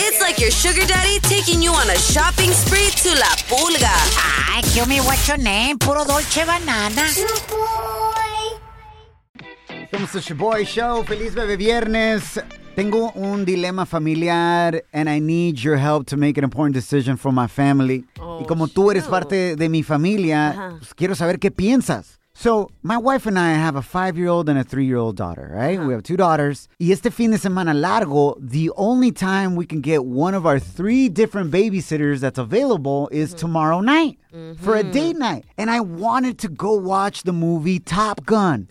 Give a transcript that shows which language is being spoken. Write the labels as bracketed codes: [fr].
[en] It's like your sugar daddy taking you on a shopping spree to La Pulga. Ay, kill me, what's your name? Puro Dolce Banana. Shaboy. [es] Somos the Shaboy Show. Feliz Bebe Viernes. Tengo un dilema familiar, [en] and I need your help to make an important decision for my family. [es] Oh, y como tú eres parte de mi familia, pues quiero saber qué piensas. [en] So, my wife and I have a 5-year-old and a 3-year-old daughter, right? Uh-huh. We have 2 daughters. [es] Y este fin de semana largo, [en] the only time we can get one of our 3 different babysitters that's available is mm-hmm. tomorrow night mm-hmm. for a date night. And I wanted to go watch the movie Top Gun.